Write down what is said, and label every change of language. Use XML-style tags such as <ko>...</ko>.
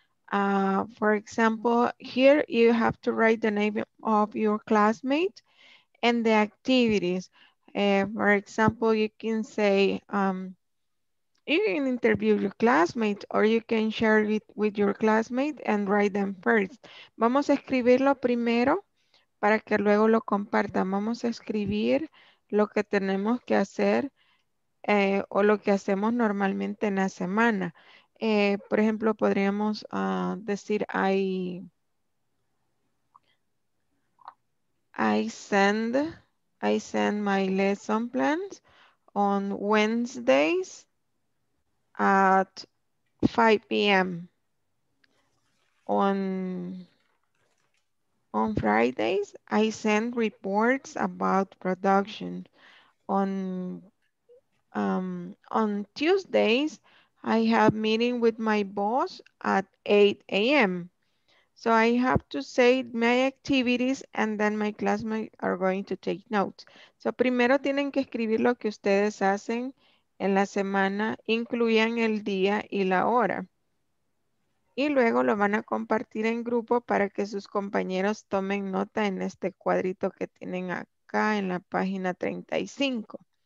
<en>For example, here you have to write the name of your classmate and the activities. For example, you can say, you can interview your classmate or you can share it with your classmate and write them first.</en> <es>Vamos a escribirlo primero para que luego lo compartan. Vamos a escribir lo que tenemos que hacer o lo que hacemos normalmente en la semana. Por ejemplo, podríamos decir,</es> <en>I send my lesson plans on Wednesdays at 5 p.m. On Fridays, I send reports about production. On Tuesdays, I have meeting with my boss at 8 a.m. So I have to say my activities and then my classmates are going to take notes.</en> <es>So primero tienen que escribir lo que ustedes hacen en la semana, incluyan el día y la hora. Y luego lo van a compartir en grupo para que sus compañeros tomen nota en este cuadrito que tienen acá en la página 35.</es>